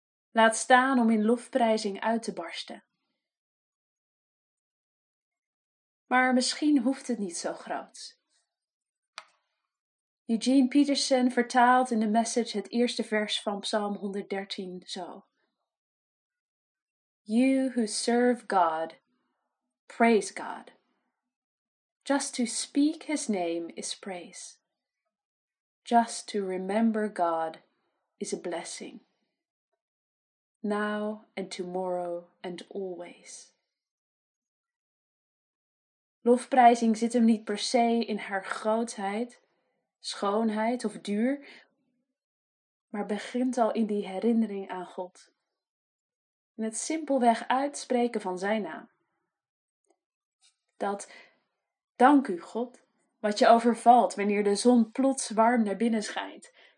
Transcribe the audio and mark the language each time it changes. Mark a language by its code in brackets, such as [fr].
[nl] Laat staan om in lofprijzing uit te barsten. Maar misschien hoeft het niet zo groot. Eugene Peterson vertaalt in de Message het eerste vers van Psalm 113 zo. [en] You who serve God, praise God. Just to speak his name is praise. Just to remember God is a blessing. Now and tomorrow and always. [nl] Lofprijzing zit hem niet per se in haar grootheid, schoonheid of duur, maar begint al in die herinnering aan God. In het simpelweg uitspreken van zijn naam. Dat, dank u God, wat je overvalt wanneer de zon plots warm naar binnen schijnt.